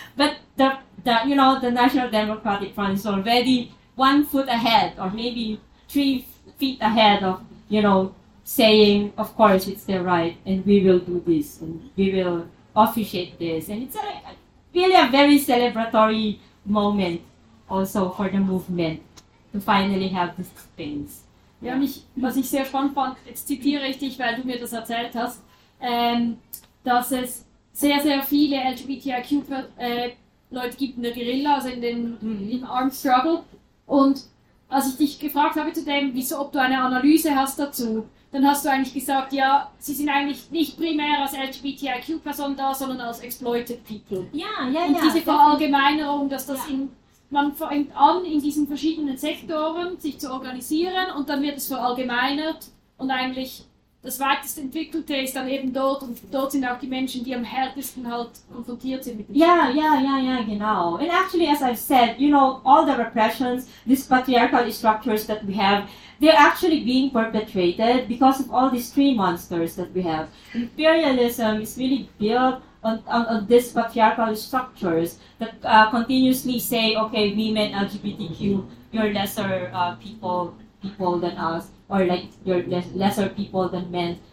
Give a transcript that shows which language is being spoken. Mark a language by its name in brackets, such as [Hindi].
[English] But the National Democratic Front is already 1 foot ahead, or maybe 3 feet ahead of, you know, saying, of course, it's their right, and we will do this, and we will officiate this. And it's really a very celebratory moment also for the movement to finally have these things. [German] Ja, was ich sehr spannend fand, jetzt zitiere ich dich, weil du mir das erzählt hast, dass es sehr, sehr viele LGBTIQ-Leute gibt in der Guerilla, also in den im [English] Armed Struggle. [German] Und als ich dich gefragt habe zu dem, wieso, ob du eine Analyse hast dazu, dann hast du eigentlich gesagt, ja, sie sind eigentlich nicht primär als LGBTIQ-Person da, sondern als [English] exploited people. [German] Ja, ja, und ja. Und diese Verallgemeinerung, dass das ja. in... Man fängt an, in diesen verschiedenen Sektoren sich zu organisieren, und dann wird es verallgemeinert. Und eigentlich das weitest entwickelte ist dann eben dort, und dort sind auch die Menschen, die am härtesten halt konfrontiert sind mit dem. Ja, ja, ja, ja, genau. [English] And actually, as I said, you know, all the repressions, these patriarchal structures that we have, they're actually being perpetrated because of all these three monsters that we have. Imperialism is really built on these patriarchal structures that continuously say, okay, women, LGBTQ, you're lesser people than us, or like you're lesser people than men.